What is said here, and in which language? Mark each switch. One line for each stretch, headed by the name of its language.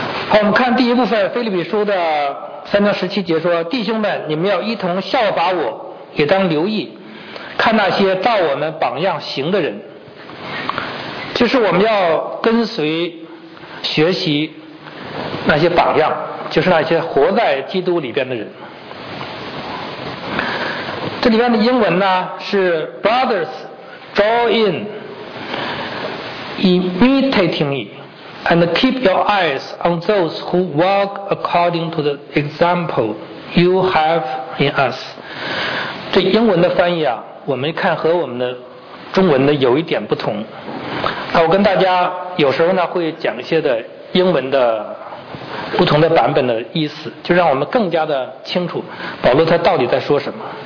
Chinese: 好，我们看第一部分，腓立比书的3:17说，弟兄们，你们要一同效法我，也当留意看那些照我们榜样行的人。就是我们要跟随学习那些榜样，就是那些活在基督里边的人。这里边的英文呢是 brothers，
English: draw in, imitating me, and keep your eyes on those who walk according to the example you have in us.
Chinese: 这英文的翻译啊，我们看和我们的中文的有一点不同。那我跟大家有时候呢会讲一些的英文的不同的版本的意思，就让我们更加的清楚保罗他到底在说什么。